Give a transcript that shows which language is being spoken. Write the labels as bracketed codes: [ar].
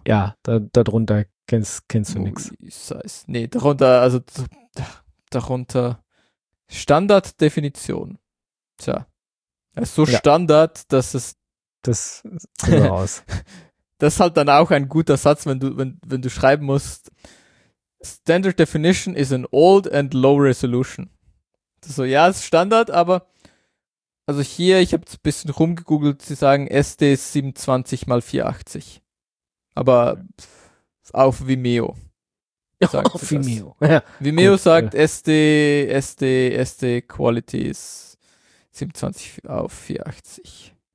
[de] Ja, darunter kennst du nichts. Nee, darunter, also darunter Standarddefinition. Tja. Das ist so ja. Standard, dass es. Das sieht so aus. Das ist halt dann auch ein guter Satz, wenn du schreiben musst. [en] Standard Definition is an old and low resolution. [de] Das ist so, ja, ist Standard, aber. Also hier, ich habe ein bisschen rumgegoogelt, sie sagen SD 720x480. Aber auf Vimeo. Sagt auf Vimeo. Ja. Vimeo gut, sagt ja. SD Quality ist 720x480.